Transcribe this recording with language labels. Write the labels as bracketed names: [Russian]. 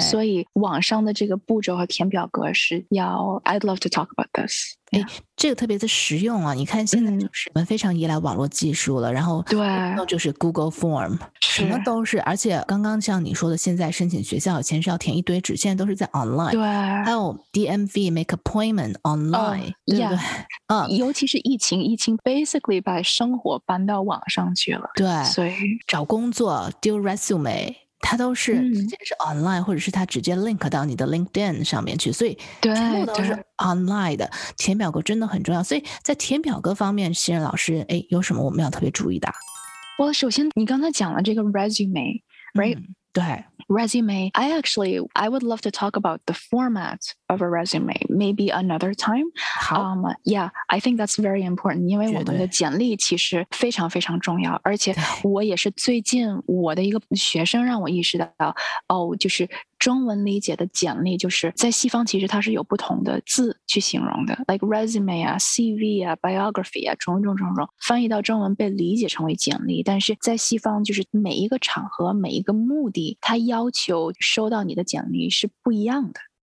[Chinese] 所以网上的这个步骤和填表格是要 [English] I'd love to talk about this。 [Chinese] 哎，这个特别的实用啊！你看现在就是我们非常依赖网络技术了，然后对，就是 Google Form， 什么都是。而且刚刚像你说的，现在申请学校以前是要填一堆纸，现在都是在 online。对，还有 DMV [English] make appointment online，、 [Chinese] 对不对？ Yeah, 尤其是疫情 basically 把生活搬到网上去了。对，所以找工作丢 resume。它都是直接是 online、或者是它直接 link 到你的 LinkedIn 上面去，所以全部都是 online 的。填表格真的很重要，所以在填表格方面，新人老师，哎，有什么我们要特别注意的？我首先你刚才讲了这个 resume， right？、对 [English] resume， I would love to talk about the format of a resume maybe another time。 [Chinese] 好、 [English] yeah， I think that's very important， [Chinese] 因为我们的简历其实非常非常重要，而且我也是最近我的一个学生让我意识到，哦，就是中文理解的简历就是在西方其实它是有不同的字去形容的， like resume 啊 CV 啊 biography 啊种翻译到中文被理解成为简历，但是在西方就是每一个场合每一个目的它要求收到你的简历是不一样的，